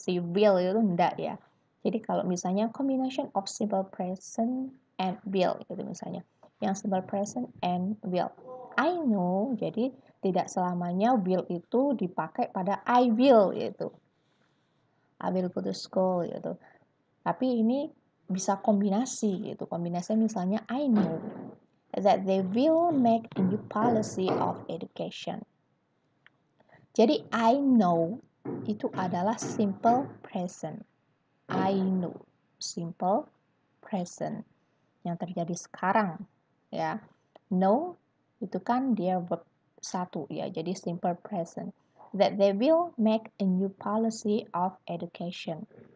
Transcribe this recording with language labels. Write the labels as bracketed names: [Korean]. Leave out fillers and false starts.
[Indonesian] Si will itu enggak ya. Jadi, kalau misalnya [English] combination of simple present and will. [Indonesian] Gitu misalnya. Yang [English] simple present and will. I know. [Indonesian] Jadi, tidak selamanya will itu dipakai pada I will. Gitu. [English] I will go to school. Gitu. [Indonesian] Tapi ini bisa kombinasi. Gitu. Kombinasi misalnya [English] I know that they will make a new policy of education. [Indonesian] Jadi, [English] I know [Indonesian] itu adalah simple present. [English] I know, [Indonesian] simple present. Yang terjadi sekarang, ya. Know, itu kan dia verb satu, ya. Jadi, simple present. [English] That they will make a new policy of education.